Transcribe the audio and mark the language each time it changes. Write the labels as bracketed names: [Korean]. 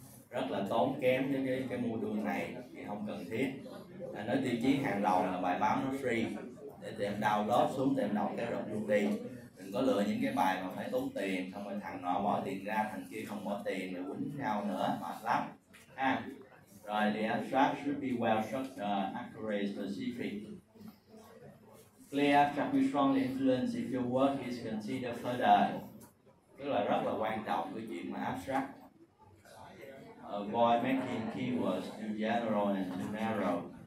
[Vietnamese] Rất là tốn kém với cái mua đuôi này thì không cần thiết. Nói tiêu chí hàng đầu là bài báo nó free, để tụi em download xuống tụi em đọc cái rộng luôn đi. Đừng có lựa những cái bài mà phải tốn tiền, xong rồi thằng nọ bỏ tiền ra, thằng kia không bỏ tiền, rồi quýnh nhau nữa, mệt lắm ha. Rồi, [English] the abstract should be well structured, accurate, specific, clear, can be strongly influenced if your work is considered further. [Vietnamese] Tức là rất là quan trọng cái chuyện mà abstract. [English] Avoid making keywords too general and too narrow.